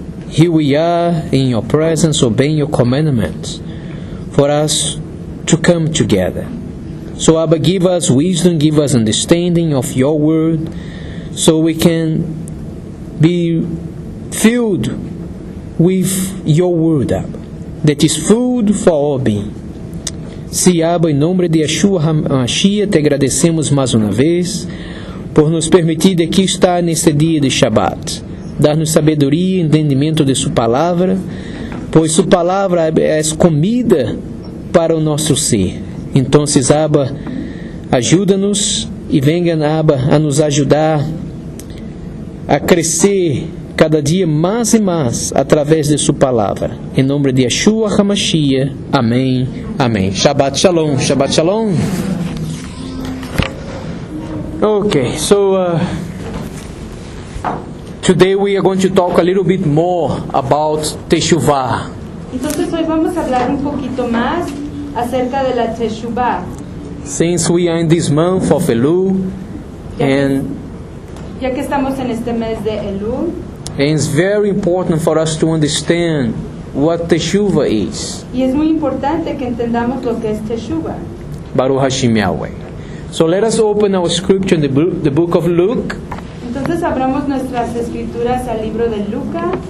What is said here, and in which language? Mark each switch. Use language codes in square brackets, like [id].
[en] Here we are in your presence, obeying your commandments for us to come together. So Abba, give us wisdom, give us understanding of your word, so we can be filled with your word, Abba, that is food for all being. [pt] Se Abba, em nome de Yeshua HaMashiach, te agradecemos mais uma vez por nos permitir de aqui estar neste dia de Shabbat. Dar-nos sabedoria e entendimento de sua palavra, pois sua palavra é comida para o nosso ser. Então, Abba, ajuda-nos e venha, Abba, a nos ajudar a crescer cada dia mais e mais através de sua palavra. Em nome de Yeshua HaMashiach. Amém. Amém. [he] Shabbat Shalom. Shabbat Shalom. [en] Okay, so today we are going to talk a little bit more about Teshuvah. [es] Entonces hoy vamos a hablar un poquito más acerca de la Teshuvah. [en] Since we are in this month of Elul, [es] ya que estamos en este mes de Elul, [en] and it's very important for us to understand what Teshuva is. [es] Y es muy importante que entendamos lo que es Teshuva. [he] Baruch Hashem Yahweh. [en] So let us open our scripture in the book of Luke. [es] Entonces abramos nuestras escrituras al libro de Lucas.